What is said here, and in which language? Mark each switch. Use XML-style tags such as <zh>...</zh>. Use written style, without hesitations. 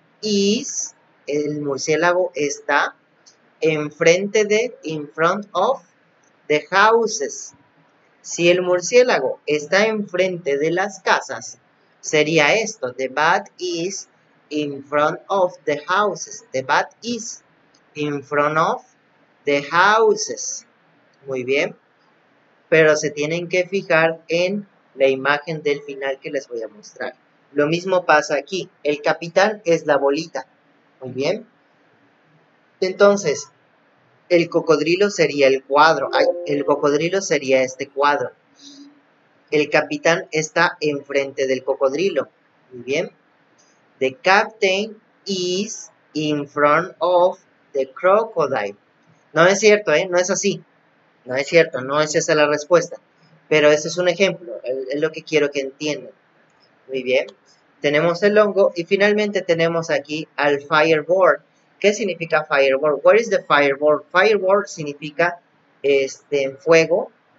<en>Is,</en> <es>el murciélago está enfrente de,</es> <en>in front of, the houses.</en> <es>Si el murciélago está enfrente de las casas, sería esto,</es> <en>the bat is In front of the houses. The bat is in front of the houses.</en> <es>Muy bien. Pero se tienen que fijar en la imagen del final que les voy a mostrar. Lo mismo pasa aquí. El capitán es la bolita. Muy bien. Entonces, el cocodrilo sería el cuadro. Ay, el cocodrilo sería este cuadro. El capitán está enfrente del cocodrilo. Muy bien.</es> <en>The captain is in front of the crocodile.</en> <es>No es cierto, ¿eh? No es así. No es cierto, no es esa la respuesta. Pero ese es un ejemplo, es lo que quiero que entiendan. Muy bien. Tenemos el hongo y finalmente tenemos aquí al fireball. ¿Qué significa fireball?</es> <en>What is the fireball?</en> <es>Fireball significa fuego.</es>